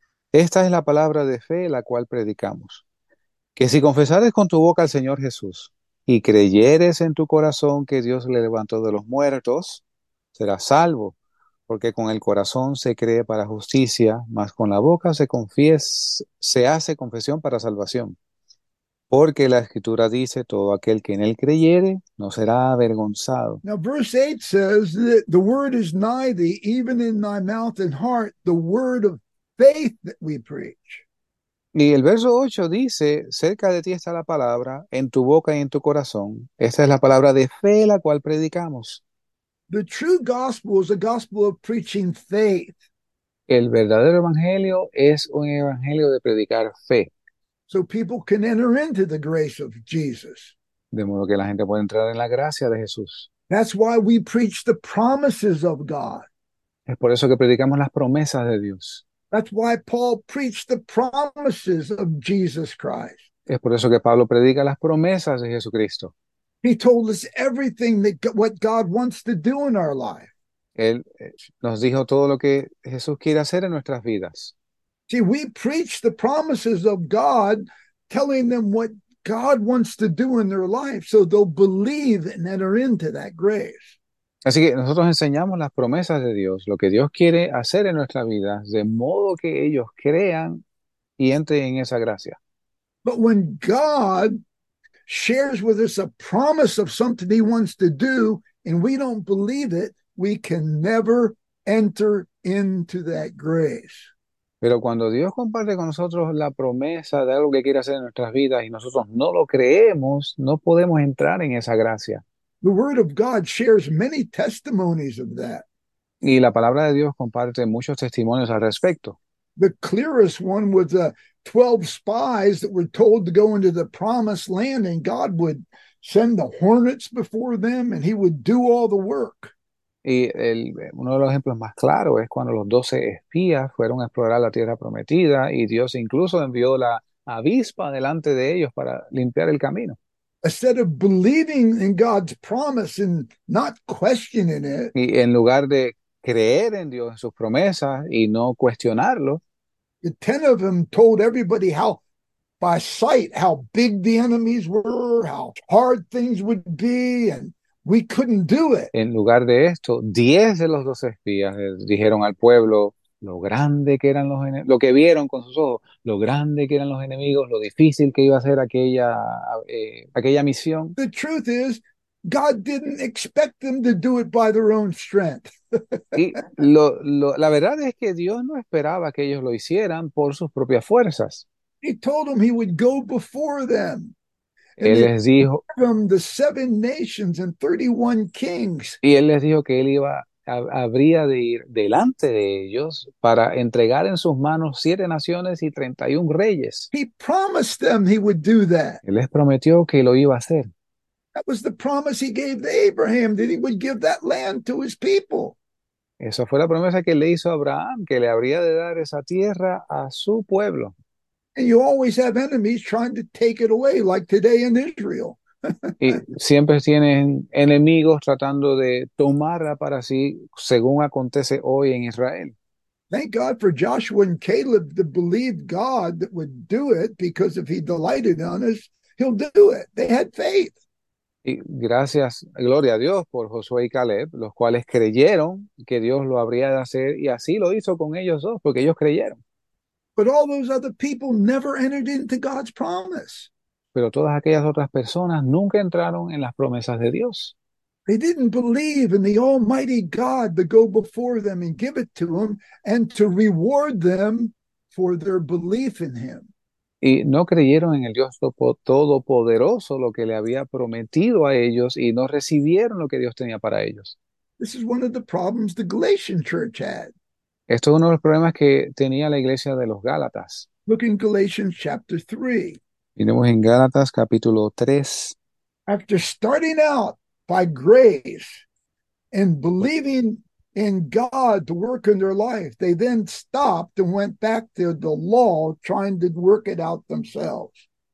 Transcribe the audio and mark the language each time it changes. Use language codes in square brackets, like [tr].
[es] Esta es la palabra de fe la cual predicamos. Que si confesares con tu boca al Señor Jesús, y creyeres en tu corazón que Dios le levantó de los muertos, serás salvo. Porque con el corazón se cree para justicia, mas con la boca se hace confesión para salvación. Porque la Escritura dice, todo aquel que en él creyere no será avergonzado. [en] Now verse 8 says that the word is nigh thee, even in thy mouth and heart, the word of faith that we preach. [es] Y el verso 8 dice, cerca de ti está la palabra, en tu boca y en tu corazón. Esta es la palabra de fe la cual predicamos. [en] The true gospel is a gospel of preaching faith. [es] El verdadero evangelio es un evangelio de predicar fe. [en] So people can enter into the grace of Jesus. [es] De modo que la gente puede entrar en la gracia de Jesús. [en] That's why we preach the promises of God. [es] Es por eso que predicamos las promesas de Dios. [en] That's why Paul preached the promises of Jesus Christ. [es] Es por eso que Pablo predica las promesas de Jesucristo. [en] He told us everything that what God wants to do in our life. [es] Él nos dijo todo lo que Jesús quiere hacer en nuestras vidas. [en] See, we preach the promises of God, telling them what God wants to do in their life, so they'll believe and enter into that grace. [es] Así que nosotros enseñamos las promesas de Dios, lo que Dios quiere hacer en nuestras vidas, de modo que ellos crean y entren en esa gracia. [en] But when God shares with us a promise of something he wants to do, and we don't believe it, we can never enter into that grace. [es] Pero cuando Dios comparte con nosotros la promesa de algo que quiere hacer en nuestras vidas y nosotros no lo creemos, no podemos entrar en esa gracia. [en] The word of God shares many testimonies of that. [es] Y la palabra de Dios comparte muchos testimonios al respecto. [en] The clearest one was the 12 spies that were told to go into the promised land, and God would send the hornets before them and he would do all the work. [es] Y uno de los ejemplos más claros es cuando los 12 espías fueron a explorar la tierra prometida y Dios incluso envió la avispa delante de ellos para limpiar el camino. [en] Instead of believing in God's promise and not questioning it, [es] y en lugar de creer en Dios, en sus promesas y no cuestionarlo, [en] the 10 of them told everybody how, by sight, how big the enemies were, how hard things would be, and we couldn't do it. [es] En lugar de esto, 10 de los 12 espías dijeron al pueblo lo grande que eran los enemigos, lo que vieron con sus ojos, lo grande que eran los enemigos, lo difícil que iba a ser aquella misión. [en] The truth is, God didn't expect them to do it by their own strength. [es] Y la verdad es que Dios no esperaba que ellos lo hicieran por sus propias fuerzas. [en] He told them he would go before them. [es] Él les dijo, [en] from the 7 nations and 31 kings. [es] Y él les dijo que él iba habría de ir delante de ellos para entregar en sus manos 7 naciones y 31 reyes. [en] He promised them he would do that. [es] Él les prometió que lo iba a hacer. [en] That was the promise he gave to Abraham, that he would give that land to his people. [es] Esa fue la promesa que le hizo a Abraham, que le habría de dar esa tierra a su pueblo. [en] And you always have enemies trying to take it away, like today in Israel. [es] Y siempre tienen enemigos tratando de tomarla para sí, según acontece hoy en Israel. [en] Thank God for Joshua and Caleb that believed God that would do it, because if he delighted on us, he'll do it. They had faith. [es] Gracias, gloria a Dios por Josué y Caleb, los cuales creyeron que Dios lo habría de hacer y así lo hizo con ellos dos, porque ellos creyeron. [en] But all those other people never entered into God's promise. [es] Pero todas aquellas otras personas nunca entraron en las promesas de Dios. [en] They didn't believe in the Almighty God to go before them and give it to them and to reward them for their belief in him. [es] Y no creyeron en el Dios Todopoderoso, lo que le había prometido a ellos, y no recibieron lo que Dios tenía para ellos. [en] This is one of the problems the Galatian church had. [es] Esto es uno de los problemas que tenía la iglesia de los Gálatas. [en] Look in Galatians chapter 3. [es] Miremos en Gálatas capítulo 3. [en] After starting out by grace and believing in God to work in their life, they then stopped and went back to the law, trying to work it out themselves.